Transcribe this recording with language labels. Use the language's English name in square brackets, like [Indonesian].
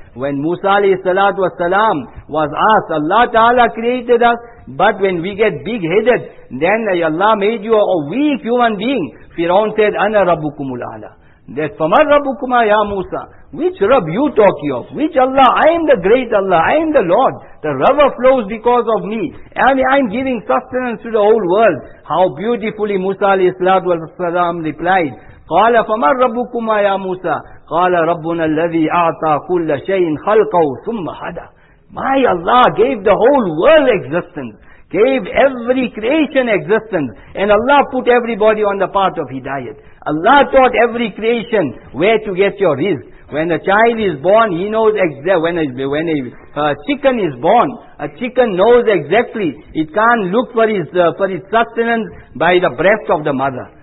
[English] When Musa alayhi salatu wasalam was asked, Allah Ta'ala created us, but when we get big headed, then Allah made you a weak human being. Fir'aun said, [Arabic] Ana Rabbukumul A'la. [English] That [Arabic] Famar Rabbukuma Ya Musa. [English] Which Rabb you talking of? Which Allah? I am the great Allah. I am the Lord. The river flows because of me. And I am giving sustenance to the whole world. How beautifully Musa alayhi salatu wasalam replied, [Arabic] قَالَ فَمَنْ رَبُّكُمَا يَا مُوسَىٰ قَالَ رَبُّنَا الَّذِي أَعْطَىٰ كُلَّ شَيْءٍ خَلْقَهُ ثُمَّ هَدَىٰ. [English] My Allah gave the whole world existence, gave every creation existence, and Allah put everybody on the path of Hidayat. Allah taught every creation where to get your rizq. When a child is born, he knows exactly, when a chicken is born, a chicken knows exactly, it can't look for its sustenance by the breast of the mother.